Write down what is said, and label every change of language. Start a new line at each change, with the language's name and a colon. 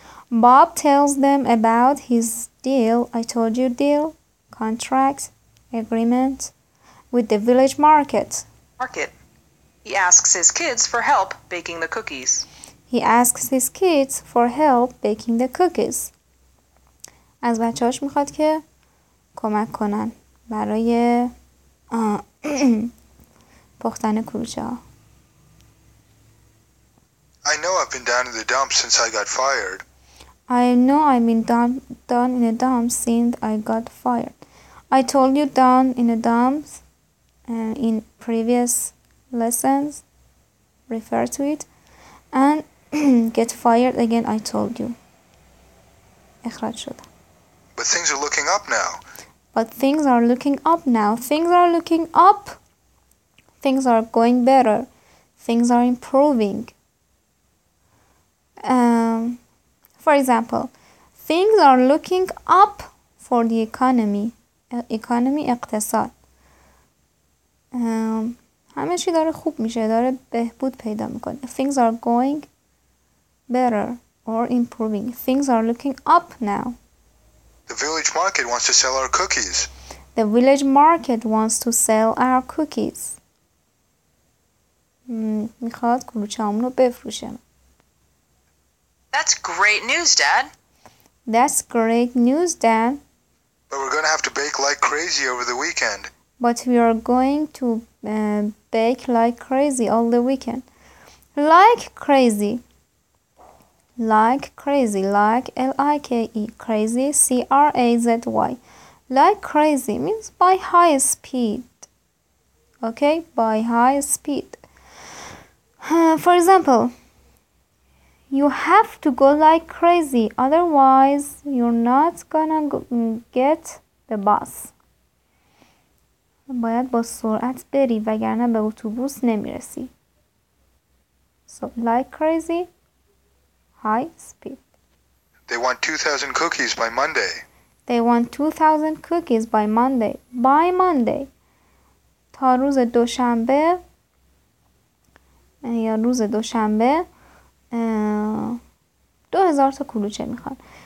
English: Bob tells them about his deal, I told you deal, contract, agreement, with the village market. Market. He asks his kids for help baking the cookies. He asks his kids for help baking the cookies.
Persian: از بچه‌هاش میخواد که کمک کنن برای پختن کلوچه‌ها.
English: I know I've been down in the dump since I got fired. I know I've been down in a dump since I got fired. I told you down in a dump in previous lessons, refer to it, and get fired again, I told you.
Persian: اخراج شدم.
English: But things are looking up now. But things are looking up now. Things are looking up. Things are going better. Things are improving. For example, things are looking up for the economy, اقتصاد.
Persian: همه چی داره خوب میشه، داره بهبود پیدا میکنه.
English: Things are going better or improving. Things are looking up now. The village market wants to sell our cookies. The village market wants to sell our cookies. میخواد کلوچه‌هامونو بفروشه. That's great news, Dad. That's great news, Dad. But we're going to have to bake like crazy over the weekend. But we are going to bake like crazy all the weekend. Like crazy. Like crazy. Like L-I-K-E. Crazy. C-R-A-Z-Y. Like crazy means by high speed. Okay? By high speed. For example... You have to go like crazy, otherwise you're not gonna get the bus.
Persian: باید با سرعت بری وگرنه به اتوبوس نمیرسی.
English: So, like crazy, high speed. They want 2,000 cookies by Monday. They want 2,000 cookies by Monday. By Monday.
Persian: تا روز دوشنبه یا روز دوشنبه دو هزار تا کلوچه میخوان.